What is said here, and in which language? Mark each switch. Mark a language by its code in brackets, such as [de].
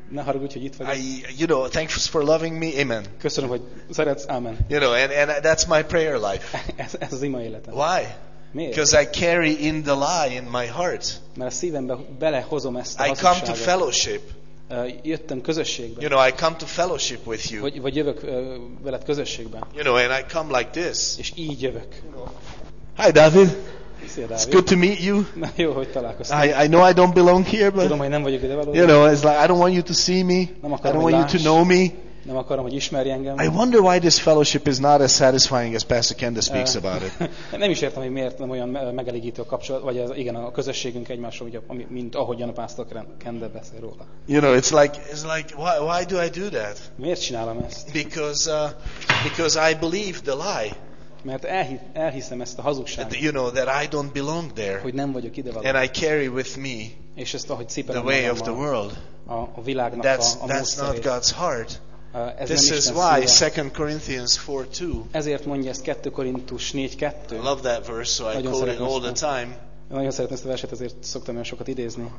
[hu] Ne haragudj, hogy itt vagyok. [en] You know, thanks for loving me. Amen. [hu] Köszönöm, hogy szeretsz. [en] Amen. You know, and that's my prayer life. [hu] Ez az ima életem. [en] Why? [hu] Miért? [en] Because I carry in the lie in my heart. [hu] Mert a szívembe belehozom ezt a hazugságot. [en] I come to fellowship. [hu] Jöttem közösségbe. [en] You know, I come to fellowship with you. [hu] Vagy jövök veled közösségbe. [en] You know, and I come like this. [hu] És így jövök. [en] Hi, David. [hu] Szia, David. [en] It's good to meet you. [hu] Na, jó, hogy találkoztunk. [en] I know I don't belong here, but. [hu] Tudom, hogy nem vagyok ide való. [en] You know, it's like I don't want you to see me. [hu] Nem akarom, [en] I don't want You to know me. [hu] Nem akarom, hogy ismerj engem. [en] I wonder why this fellowship is not as satisfying as Pastor Kenda speaks about it. [hu] Nem is értem, hogy miért nem olyan megelégítő a kapcsolat, vagy az, igen, a közösségünk egymással, mint ahogyan a Pastor Kenda beszél róla. [en] You know, it's like why do I do that? [hu] Miért csinálom ezt? [en] Because I believe the lie. [hu] Mert elhiszem ezt a hazugságot. [en] You know that I don't belong there. [hu] Hogy nem vagyok ide való. [en] And I carry with me. [hu] És ezt, ahogy cipelem magam. [en] The way of the world. [hu] A világnak [en] that's not God's heart. This is why 2 Corinthians 4:2. [hu] Ezért mondja ezt 2 Korintus 4:2. [en] I love that verse, so I quote it all the time. [hu] Nagyon szeretem ezt a verset, ezért szoktam olyan sokat idézni.